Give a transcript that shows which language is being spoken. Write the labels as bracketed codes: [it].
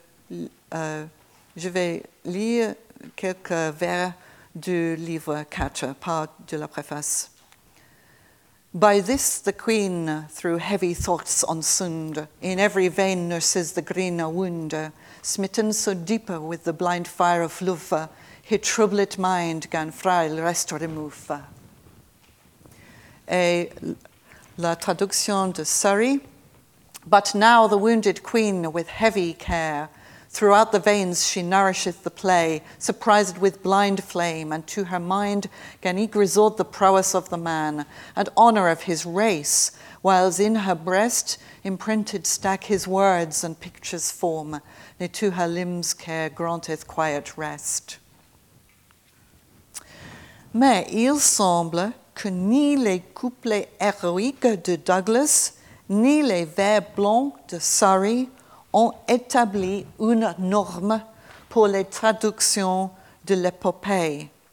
[fr] Je vais lire quelques vers du livre 4, pas de la préface. [en] By this the queen, through heavy thoughts ensound, in every vein nurses the green a wound, smitten so deeper with the blind fire of love, her troubled mind gan frail rest remove. [fr] Et la traduction de Surrey. [en] But now the wounded queen, with heavy care, throughout the veins she nourisheth the play, surprised with blind flame, and to her mind can eke resort the prowess of the man and honour of his race, whiles in her breast imprinted stack his words and pictures form, ne to her limbs care granteth quiet rest. [fr] Mais il semble que ni les couplets héroïques de Douglas ni les vers blancs de Surrey ont établi une norme pour les traductions de l'épopée.